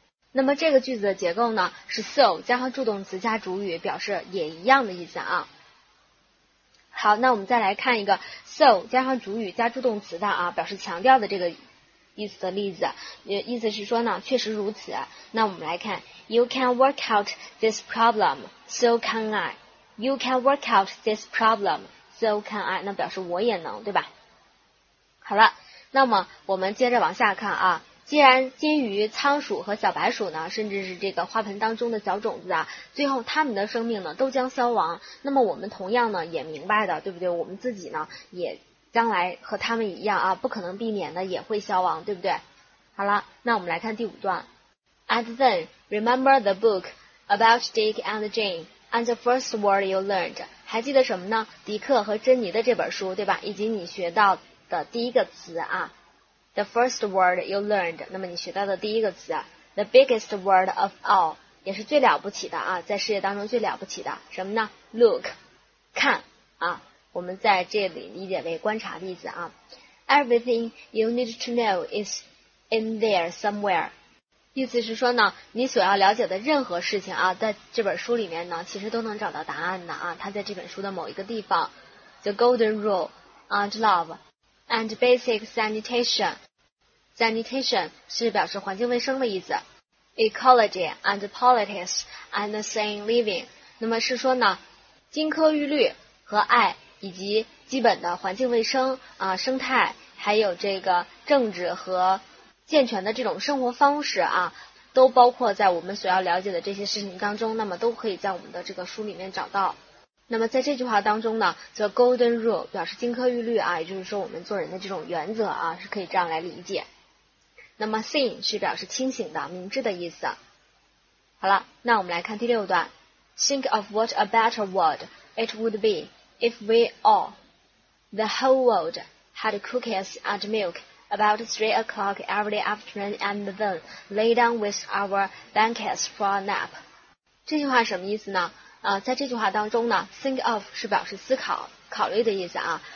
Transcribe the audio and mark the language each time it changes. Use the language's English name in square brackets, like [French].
[Chinese] 那么这个句子的结构呢，是 so 加上助动词加主语，表示也一样的意思啊。好，那我们再来看一个 so 加上主语加助动词的啊，表示强调的这个意思的例子，也意思是说呢，确实如此。那我们来看 [English] ，You can work out this problem, so can I. You can work out this problem, so can I. [Chinese] 那表示我也能，对吧？好了，那么我们接着往下看啊。既然金鱼、仓鼠和小白鼠呢，甚至是这个花盆当中的小种子啊，最后他们的生命呢都将消亡。那么我们同样呢也明白的，对不对？我们自己呢也。将来和他们一样啊，不可能避免的也会消亡，对不对？好了，那我们来看第五段。 [English] And then remember the book about Dick and Jane and the first word you learned. [Chinese] 还记得什么呢？迪克和珍妮的这本书，对吧？以及你学到的第一个词啊 ， [English] the first word you learned. [Chinese] 那么你学到的第一个词 ， [English] the biggest word of all， [Chinese] 也是最了不起的啊，在世界当中最了不起的什么呢 ？Look， 看啊。我们在这里理解为观察的意思啊。 [English] Everything you need to know is in there somewhere。 [Chinese] 意思是说呢，你所要了解的任何事情啊，在这本书里面呢，其实都能找到答案的啊。它在这本书的某一个地方。 [English] The Golden Rule and Love and Basic Sanitation。 Sanitation [Chinese] 是表示环境卫生的意思。 [English] Ecology and Politics and Sane Living。 [Chinese] 那么是说呢，金科玉律和爱。以及基本的环境卫生啊、生态，还有这个政治和健全的这种生活方式啊，都包括在我们所要了解的这些事情当中，那么都可以在我们的这个书里面找到。那么在这句话当中呢 ， [English] the golden rule [Chinese] 表示金科玉律啊，也就是说我们做人的这种原则啊，是可以这样来理解。那么 sane 是表示清醒的、明智的意思。好了，那我们来看第六段。 [English] Think of what a better world it would be if we all, the whole world, had cookies and milk about 3 o'clock every afternoon and then lay down with our blankets for a nap. [Chinese] 这句话什么意思呢？在这句话当中呢 ，think of 是表示思考、考虑的意思啊。